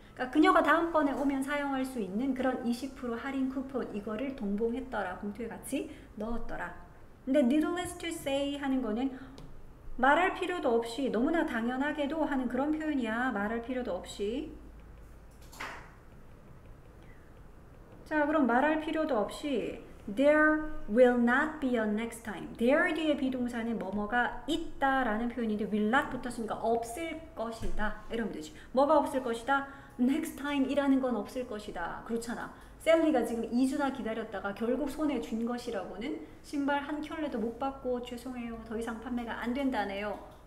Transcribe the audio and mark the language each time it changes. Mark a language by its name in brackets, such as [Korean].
[Korean] 그러니까 그녀가 다음번에 오면 사용할 수 있는 그런 20% 할인 쿠폰, 이거를 동봉했더라. 봉투에 같이 넣었더라. 근데 [English] needless to say [Korean] 하는 거는 말할 필요도 없이 너무나 당연하게도 하는 그런 표현이야. 말할 필요도 없이. 자, 그럼 말할 필요도 없이 [English] there will not be a next time. [Korean] there 뒤에 비동사는 뭐뭐가 있다라는 표현인데 will not 붙었으니까 없을 것이다. 이러면 되지. 뭐가 없을 것이다? [English] next time [Korean] 이라는 건 없을 것이다. 그렇잖아. 셀리가 지금 2주나 기다렸다가 결국 손에 쥔 것이라고는 신발 한 켤레도 못 받고 죄송해요. 더 이상 판매가 안 된다네요.